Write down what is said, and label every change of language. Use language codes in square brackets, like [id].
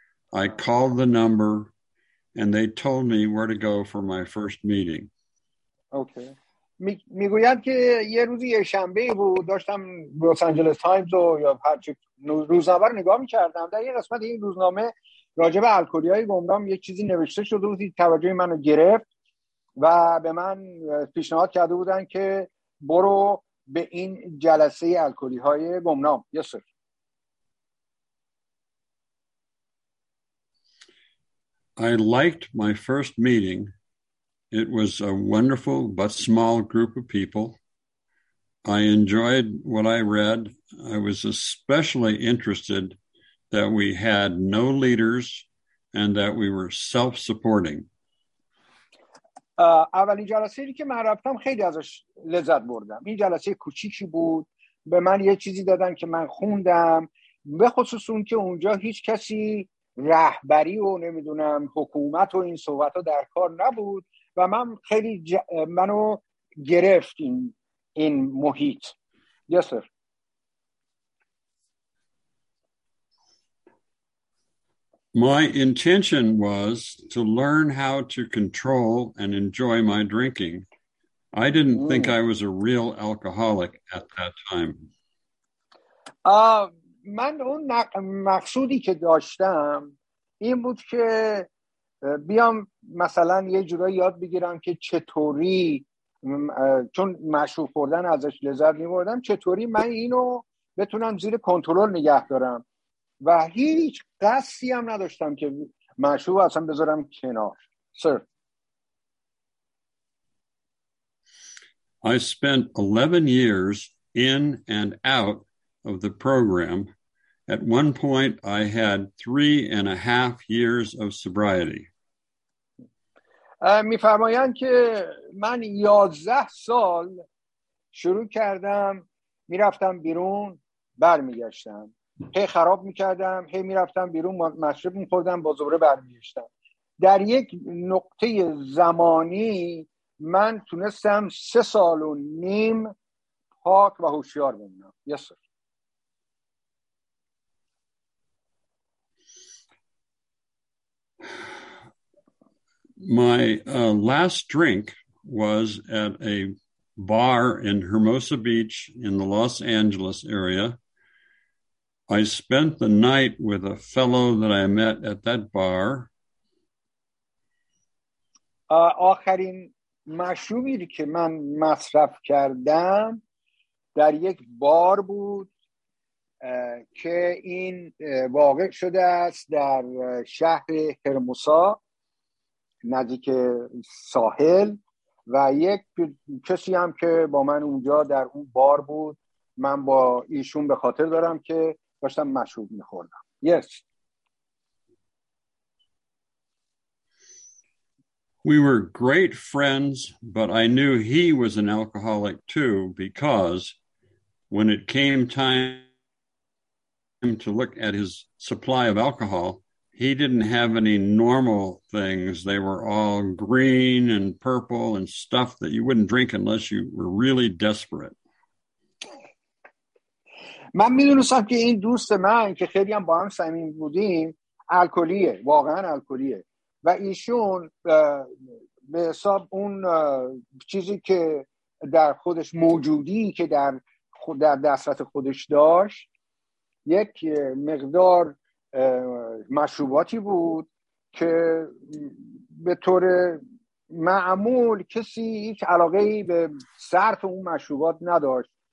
[en] I called the number and they told me where to go for my first meeting. Okay. [fa] میگویند که یه روزی یه شنبه بود، داشتم لس آنجلس تایمز و یا هرچی روزنامه رو نگاه میکردم، در یه قسمت این روزنامه راجب الکلیای گمنام یه چیزی نوشته شده بود، توجه من رو گرفت و به من پیشنهاد کرده بودن که برو به این جلسه الکلی های گمنام. [en] Yes, sir. I liked my first meeting. It was a wonderful but small group of people. I enjoyed what I read. I was especially interested that we had no leaders and that we were self-supporting. [fa] اولین جلسه ای که من رفتم خیلی ازش لذت بردم. این جلسه کوچیکی بود، به من یه چیزی دادن که من خوندم، به خصوص اون که اونجا هیچ کسی رهبری و نمیدونم حکومت و این صحبت ها در کار نبود و من خیلی منو گرفت این محیط. [en] Yes, sir. My intention was to learn how to control and enjoy my drinking. I didn't think I was a real alcoholic at that time. [fa] من اون مقصودی که داشتم این بود که بیام مثلا یه جورایی یاد بگیرم که چطوری، چون مشروب خوردن ازش لذت می‌بردم، چطوری من اینو بتونم زیر کنترل نگه دارم. و هیچ قصدی هم نداشتم که مشروب اصلا بذارم کنار. [en] Sir I spent 11 years in and out of the program. At one point, I had 3.5 years of sobriety. [fa] می فرمایند که من 11 سال شروع کردم، می رفتم بیرون، بر می گشتم. هی خراب می کردم، هی می رفتم بیرون، مشروب می خوردم، بازوره بر می گشتم. در یک نقطه زمانی، من تونستم 3.5 سال پاک و هوشیار بمونم. [en] Yes, sir. My last drink was at a bar in Hermosa Beach in the Los Angeles area. I spent the night with a fellow that I met at that bar. [fa] آخرین مشروبی که من مصرف کردم در یک بار بود که این واقع شده است در شهر هرموسا نزدیک ساحل، و یک کسی هم که با من اونجا در اون بار بود، من با ایشون به خاطر دارم که داشتم مشروب می‌خوردم. [en] Yes. We were great friends, but I knew he was an alcoholic too, because when it came time to look at his supply of alcohol, he didn't have any normal things. They were all green and purple and stuff that you wouldn't drink unless you were really desperate. [fa] من میدونستم که این دوست من که خیلی هم با هم صمیم بودیم الکلیه، واقعا الکلیه، و ایشون به حساب اون چیزی که در خودش موجودی که در دسترس خودش داشت، یک مقدار مشروباتی بود که به طور معمول کسی هیچ علاقه‌ای به صرف اون مشروبات نداشت.